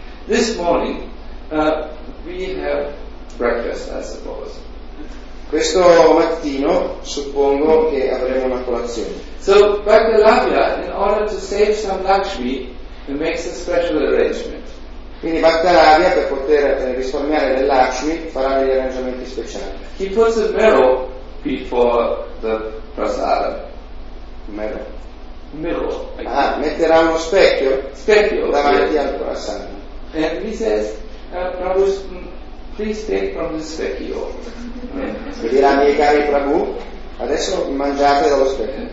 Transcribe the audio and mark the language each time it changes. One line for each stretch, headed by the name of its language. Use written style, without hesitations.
English: This morning we have breakfast, I suppose.
Italian: Questo mattino suppongo che avremo una colazione.
English: So Bhaktalavya, in order to save some Lakshmi, makes a special arrangement.
Italian: Quindi Bhaktalavya, per poter risparmiare del Lakshmi, farà degli arrangiamenti speciali.
English: He puts a mirror before the prasada. Mirror. Mirror.
Italian: Ah, metterà uno specchio. Specchio. Davanti al prasada.
English: And he says, Prabhu, please take from the specchio.
Italian: E dirà, miei cari Prabhu, adesso mangiate dallo specchio.